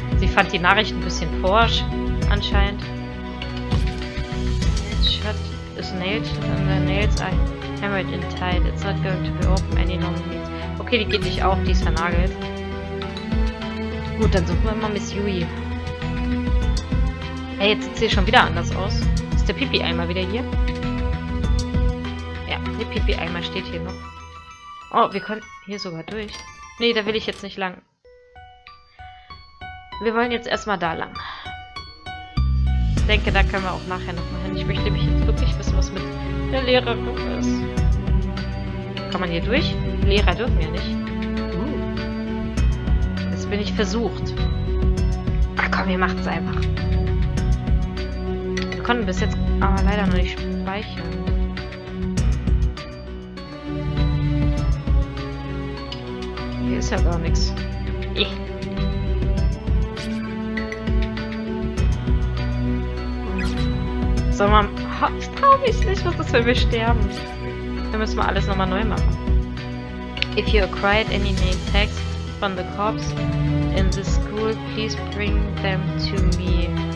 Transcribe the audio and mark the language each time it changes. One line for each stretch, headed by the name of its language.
German: Sie fand die Nachricht ein bisschen forsch, anscheinend.
English: Shut is nailed and the nails are hammered in tight. It's not going to be open any longer.
German: Okay, die geht nicht auf, die ist vernagelt. Gut, dann suchen wir mal Miss Yui. Hey, jetzt sieht sie schon wieder anders aus. Ist der Pipi-Eimer wieder hier? Ja, der Pipi-Eimer steht hier noch. Oh, wir können hier sogar durch. Nee, da will ich jetzt nicht lang. Wir wollen jetzt erstmal da lang. Ich denke, da können wir auch nachher nochmal hin. Ich möchte mich jetzt wirklich wissen, was mit der Lehrerin ist. Kann man hier durch? Lehrer dürfen ja nicht. Jetzt bin ich versucht. Ach komm, ihr macht's einfach. Wir konnten bis jetzt aber leider noch nicht speichern. Hier ist ja gar nichts. So, man, ich trau mich nicht, was ist, wenn wir sterben? Dann müssen wir alles nochmal neu machen.
English: If you acquired any name tags from the cops in the school, please bring them to me.